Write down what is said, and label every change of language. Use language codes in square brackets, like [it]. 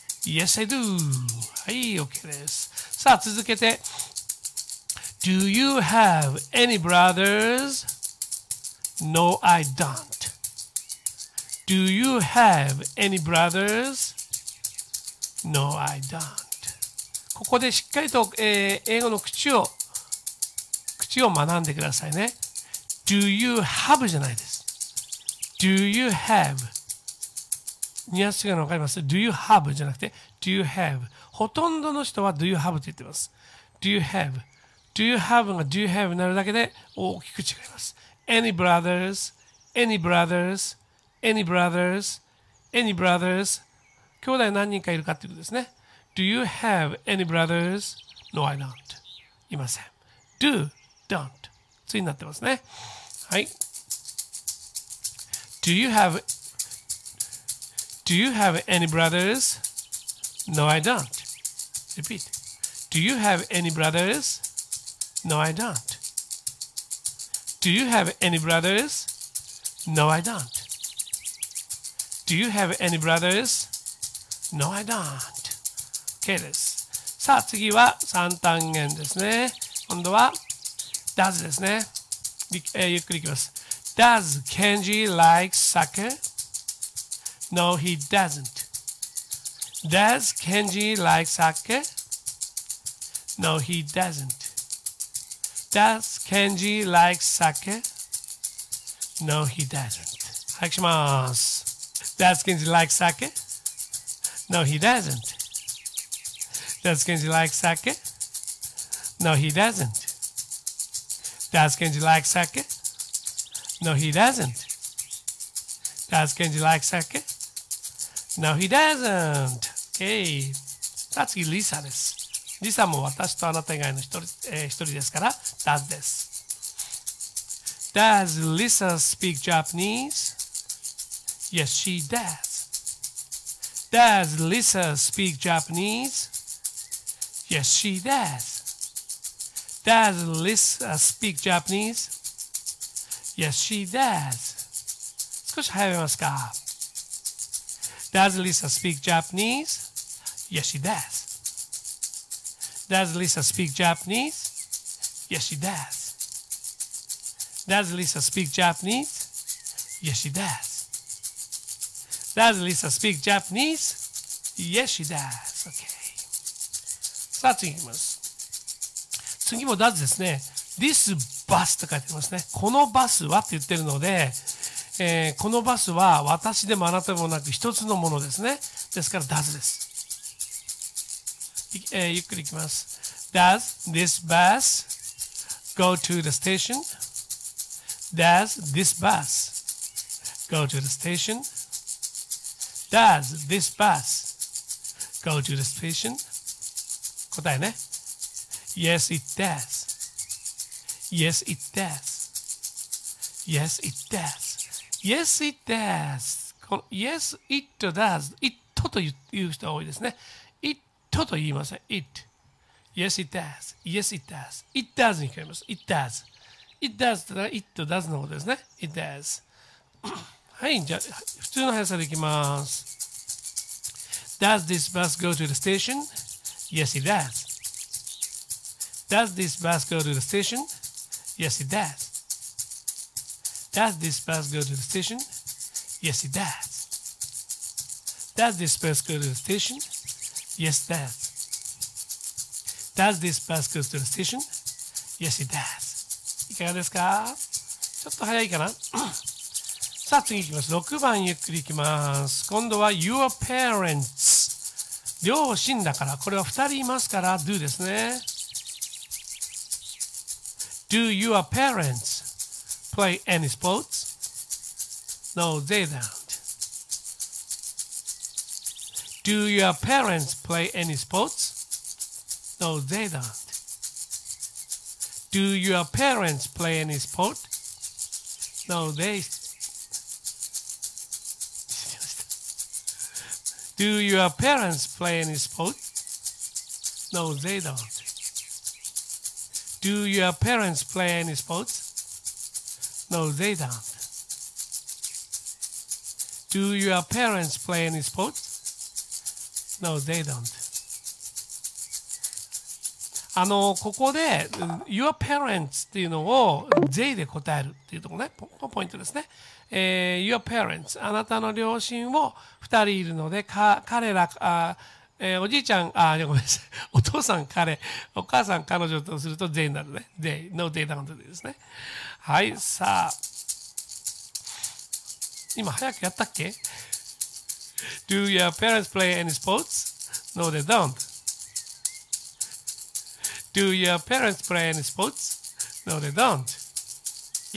[en] Yes, I do. [ja] はい、OK です。さあ、続けて。 [en] Do you have any brothers? No, I don't. Do you have any brothers? No, I don't. [ja] ここでしっかりと、英語の口を学んでくださいね。 [en] Do you have [ja] じゃないです。 [en] Do you have? [ja] ニュアンス違うの分かります。 [en] Do you have [ja] じゃなくて、 [en] Do you have? [ja] ほとんどの人は [en] Do you have [ja] と言ってます。Do you have? [en] Do you have [ja] が Do you have になるだけで大きく違います。 [en] Any brothers, any brothers, any brothers, any brothers. [ja] 兄弟何人かいるかということですね。 [en] Do you have any brothers? No, I don't. [ja] いません。Do, don't. ついになってますね。はい。 [en] Do you have any brothers? No, I don't. Repeat. Do you have any brothers? No, I don't. Do you have any brothers? No, I don't. Do you have any brothers? No, I don't. OK です。 [ja] さあ、次は三単元ですね。今度は、does ですね。ゆっくりいきます。 [en] Does Kenji like soccer? No, he doesn't. Does Kenji like soccer? No, he doesn't. Does Kenji like sake? No, he doesn't. [ja] はい、します。 [en] Does Kenji like sake? No, he doesn't. Does Kenji like sake? No, he doesn't. Does Kenji like sake? No, he doesn't. Does Kenji like sake? No, he doesn't. Okay. [ja] さあ、次、Lisa です。リサも私とあなた以外の一人ですから、Does です。 [en] Does Lisa speak Japanese?Yes, she does.Does Lisa speak Japanese?Yes, she does.Does Lisa speak Japanese?Yes, she does. [ja] 少し早めますか ? [en] Does Lisa speak Japanese?Yes, she does. Does Lisa speak Japanese? Yes, she does. Does Lisa speak Japanese? Yes, she does. Does Lisa speak Japanese? Yes, she does. Okay. [ja] さあ、次いきます。次も does ですね。 This bus と書いてますね。このバスはって言ってるので、このバスは私でもあなたでもなく一つのものですね。ですから does です。ゆっくりいきます。 [en] Does this bus go to the station? Does this bus go to the station? Does this bus go to the station? [ja] 答えね。 [en] Yes, it does. Yes, it does. Yes, it does. Yes, it does. Yes, it does. [ja] It と言う人多いですね。ちょっと言いません。 [en] It. Yes, it does. Yes, it does. [ja] It does に聞かれます。It does. It does ってのは It does のことですね。 [en] It does. [ja] はい、じゃあ普通の速さでいきます。 [en] Does this bus go to the station? Yes, it does. Does this bus go to the station? Yes, it does. Does this bus go to the station? Yes, it does. Does this bus go to the station? Yes, does. Does this bus go to the station? Yes, it does. [ja] いかがですか?ちょっと早いかな? さあ、次いきます。6番ゆっくりいきます。今度は Your parents 両親だから、これは二人いますから、do ですね。 [en] Do your parents play any sports? No, they don't. Do your parents play any sports? No, they don't. Do your parents play any sport? No, they... Do your parents play any sport? No, they don't. Do your parents play any sports? No, they don't. Do your parents play any sports? No, they don't. [ja] ここで Your parents っていうのを they で答えるっていうところね、ポイントですね。 Your parents、 あなたの両親を二人いるので、彼ら、おじいちゃん、ごめんなさい。お父さん、彼、お母さん、彼女とすると、they になるね。 [en] they, no, they don't do ですね。 [ja] はい、さあ。今、早くやったっけ ? [en] Do your parents play any sports?No, they don't.Do your parents play any sports?No, they don't.